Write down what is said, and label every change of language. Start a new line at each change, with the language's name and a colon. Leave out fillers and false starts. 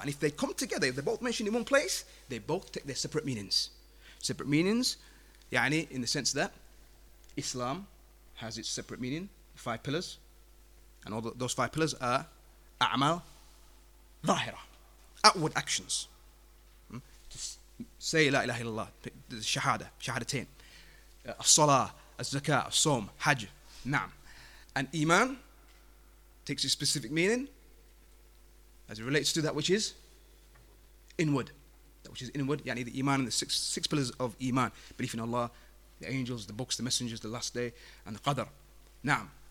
English: And if they come together, if they're both mentioned in one place, they both take their separate meanings. Separate meanings, يعني, in the sense that Islam has its separate meaning, five pillars, and all those five pillars are
Arabic: أَعْمَال ظَاهِرَ,
English: outward actions.
Arabic: Say لا إله إلا الله, الشهادة, شهادتين, الصلاة, الزكاة, الصوم, حج, نعم.
English: And Iman takes a specific meaning as it relates to that which is inward. That which is inward, yani the Iman and the six pillars of Iman. Belief in Allah, the angels, the books, the messengers, the last day, and the Qadr. Naam.